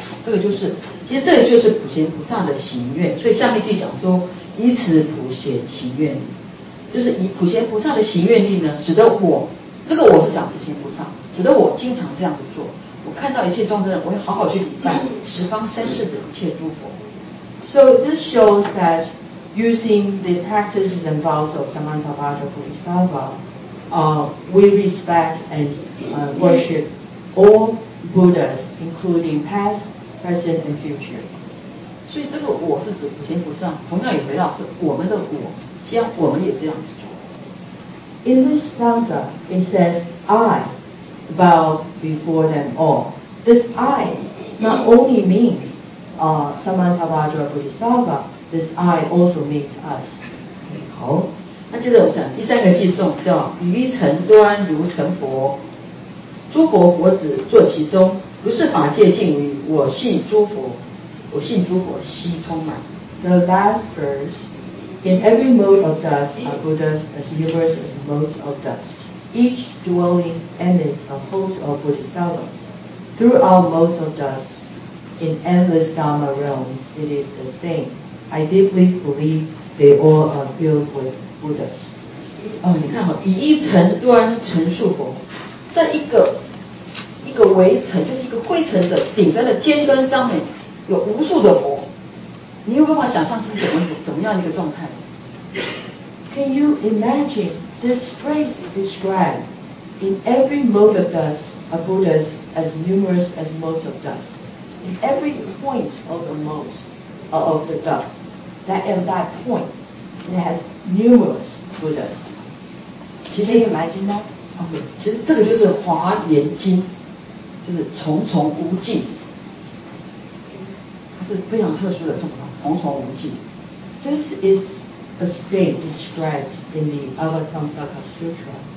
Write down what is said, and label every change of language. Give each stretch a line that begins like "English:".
Chinese: 这个就是，其实这个就是普贤菩萨的喜悦。所以下面就讲说。以此普贤祈愿力，就是以普贤菩萨的祈愿力呢，使得我，这个我是讲普贤菩萨，使得我经常这样子做。我看到一切众生，我会好好去礼拜十方三世的一切诸佛。
English: So this shows that using the practices and vows of Samantabhadra Bodhisattva, we respect and worship all Buddhas, including past, present, and future.
Chinese: 所以这个我是指普贤菩萨，同样也回到是我们的我，希望我们也这样子做。
English: In this stanza, it says, "I bow before them all." This "I" not only means Samantabhadra Bodhisattva, this "I" also means us.
Chinese: 好，那接着我讲第三个偈颂，叫“于尘端如尘佛，诸佛佛子坐其中，如是法界尽于我信诸佛。” 我信诸佛悉充满。
English: The last verse, in every mode of dust are Buddhas as universe as modes of dust. Each dwelling emits a host of Bodhisattvas. Through all modes of dust, in endless Dharma realms, it is the same. I deeply believe they all are filled with Buddhas.
Chinese: 你看好，以一尘端尘数佛，在一个微尘，就是一个灰尘的顶端的尖端上面。有无数的佛，你有办法想象这是怎么样一个状态？
English: Can you imagine this phrase described in every mode of dust, a Buddha's as numerous as modes of dust? In every point of the modes of the dust, that at that point, it has numerous Buddhas. Can you imagine that?
Chinese: Okay, 其实这个就是华严经，就是重重无尽，它是非常特殊的状况，重重无尽。
English: This is a state described in the Avatamsaka Sutra.